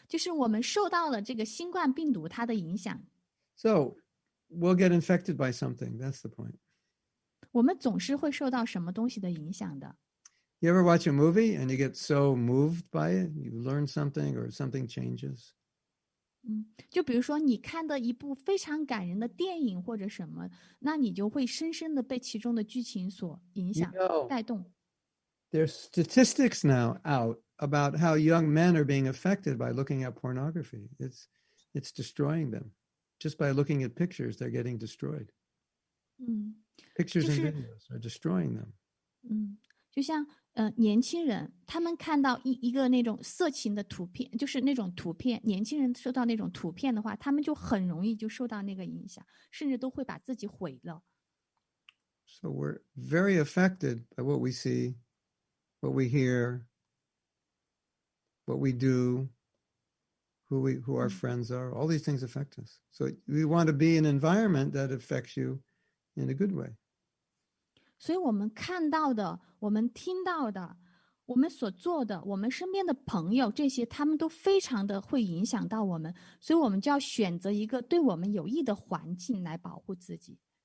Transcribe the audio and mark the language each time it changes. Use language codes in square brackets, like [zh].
[zh] 就是我们受到了这个新冠病毒它的影响。 [en] So we'll get infected by something, that's the point. [zh] 我们总是会受到什么东西的影响的。 [en] You ever watch a movie and you get so moved by it? You learn something or something changes? [zh] 就比如说你看的一部非常感人的电影或者什么，那你就会深深的被其中的剧情所影响，带动。 [en] There's statistics now out about how young men are being affected by looking at pornography. It's destroying them. Just by looking at pictures, they're getting destroyed. Pictures and videos are destroying them. [zh] 就像年轻人他们看到 一个那种色情的图片，就是那种图片，年轻人受到那种图片的话，他们就很容易就受到那个影响，甚至都会把自己毁了。 [en] So we're very affected by what we see, what we hear, what we do, who our friends are, all these things affect us. So we want to be in an environment that affects you in a good way. [zh] 所以我们看到的，我们听到的，我们所做的，我们身边的朋友，这些他们都非常的会影响到我们，所以我们就要选择一个对我们有益的环境来保护自己。